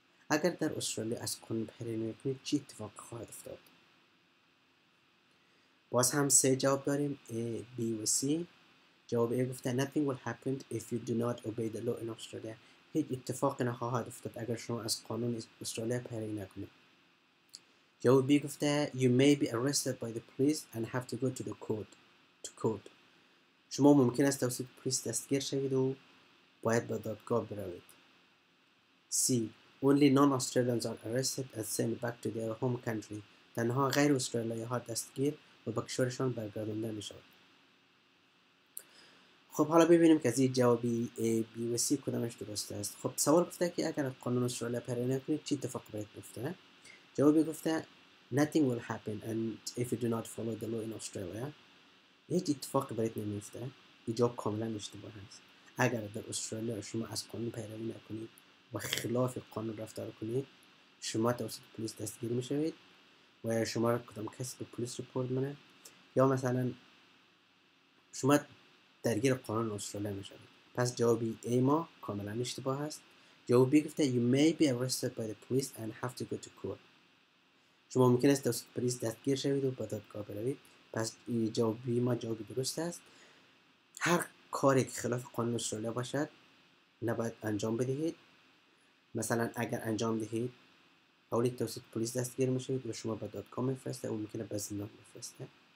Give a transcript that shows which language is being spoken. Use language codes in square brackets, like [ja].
[fa] اگر در استرالیا از قانون پیروی نکنید چی اتفاق خواهد افتاد؟ باز هم سه جواب داریم A, B و C. جواب A گفته [en] Nothing will happen if you do not obey the law in Australia. [fa] هیچ اتفاقی نخواهد افتاد اگر شما از قانون استرالیا پیروی نکنید. جواب B گفته [en] You may be arrested by the police and have to go to the court. [fa] شما ممکن است توسط پلیس دستگیر شوید و باید به دادگاه بروید. [en] C. Only non-Australians are arrested and sent back to their home country. [fa] تنها غیر استرالیایی ها دستگیر و به کشورشان برگردانده می شود. خب حالا ببینیم که از این جوابی A, B و C کدامش درست است. خب سوال گفته که اگر قانون استرالیا پیروی نکنید چی اتفاق باید بیفته؟ جوابی گفته [en] Nothing will happen and if you do not follow the law in Australia. [fa] هیچ اتفاقی برات نمیفته. جواب کاملا اشتباه هست. اگر در استرالیا شما از قانون پیروی نکنید و خلاف قانون رفتار کنید شما توسط پلیس دستگیر میشوید و یا شما کدام کسی به پلیس رپورت منه یا مثلا شما درگیر قانون استرالیا میشوید. پس جوابی A ما کاملا اشتباه هست. جوابی گفته [en] You may be arrested by the police and have to go to court. [fa] شما ممکن است توسط پلیس دستگیر شوید و به دادگاه بروید. پس جوابی ما جوابی درست است. هر کاری که خلاف قانون استرالیا باشد نباید انجام بدهید. مثلا اگر انجام دهید اولی توسط پلیس دستگیر میشید و شما به دادگاه میفرسته و ممکنه به زندان میفرسته.